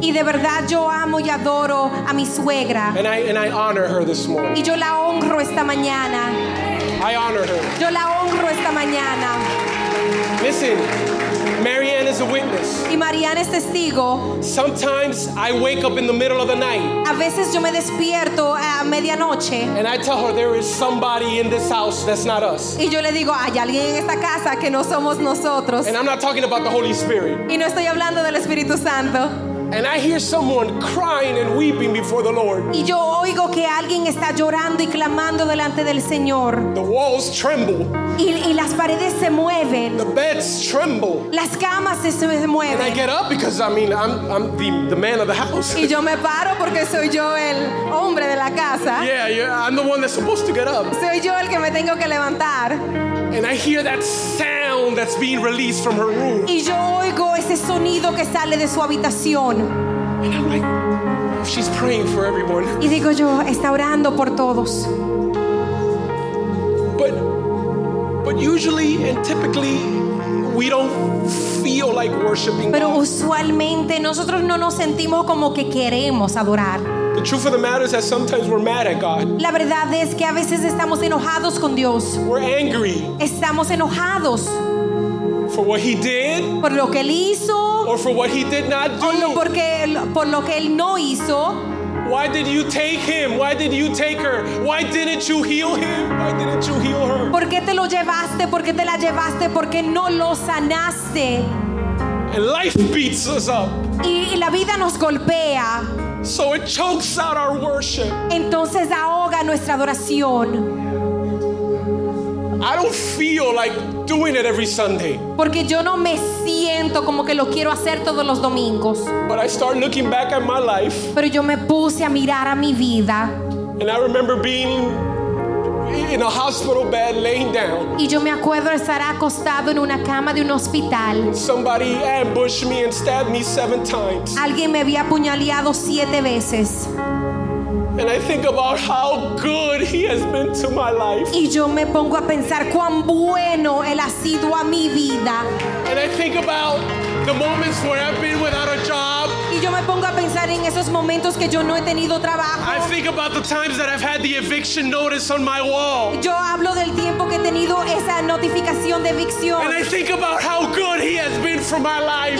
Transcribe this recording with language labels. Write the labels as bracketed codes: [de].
[es] Y de verdad yo amo y adoro a mi suegra. [en] And I honor her this morning. [es] Y yo la honro esta mañana. [en] I honor her. [es] Yo la honro esta mañana. [en] Listen, Marianne is a witness. [es] Y Marianne es testigo. [en] Sometimes I wake up in the middle of the night. [es] A veces yo me despierto a medianoche. [en] And I tell her there is somebody in this house that's not us. [es] Y yo le digo, hay alguien en esta casa que no somos nosotros. [en] And I'm not talking about the Holy Spirit. [es] Y no estoy hablando del Espíritu Santo. [en] And I hear someone crying and weeping before the Lord. [es] Y yo oigo que alguien está llorando y clamando delante del Señor. [en] The walls tremble. [es] Y las paredes se mueven. [en] The beds tremble. [es] Las camas se mueven. [en] And I get up because I'm the man of the house. [es] Y yo me paro porque soy yo el hombre de la casa. [en] Yeah, I'm the one that's supposed to get up. [es] Soy yo el que me tengo que levantar. [en] And I hear that sound that's being released from her room. [es] Y yo oigo ese sonido que sale de su habitación. [en] And I'm like, she's praying for everyone. [es] Y digo yo, está orando por todos. [en] But usually and typically we don't feel like worshiping. [es] Pero usualmente nosotros no nos sentimos como que queremos adorar. [en] The truth of the matter is that sometimes we're mad at God. [es] La verdad es que a veces estamos enojados con Dios. [en] We're angry. [es] Estamos enojados. [en] For what he did. [es] Por lo que él hizo. [en] Or for what he did not do. [es] O por lo que él no hizo. [en] Why did you take him? Why did you take her? Why didn't you heal him? Why didn't you heal her? [es] ¿Por qué te lo llevaste? ¿Por qué te la llevaste? ¿Por qué no lo sanaste? [en] And life beats us up. [es] Y la vida nos golpea. [en] So it chokes out our worship. [es] Entonces ahoga nuestra adoración. [en] I don't feel like doing it every Sunday. [es] Porque yo no me siento como que lo quiero hacer todos los domingos. [en] But I start looking back at my life. [es] Pero yo me puse a mirar a mi vida. [en] And I remember being in a hospital bed laying down. [es] Y yo me acuerdo de estar acostado en una cama de un hospital. [en] Somebody ambushed me and stabbed me 7 times. [es] Alguien me había apuñaleado 7 veces. [en] And I think about how good he has been to my life. [es] Y yo me pongo a pensar cuán bueno él ha sido a mi vida. [en] And I think about the moments where I've been without a job. [es] Y yo me pongo a pensar en esos momentos que yo no he tenido trabajo. [en] I think about the times that I've had the eviction notice on my wall. [es] Yo hablo del tiempo que he tenido esa notificación de evicción. [en] And I think about how good he has been for my life.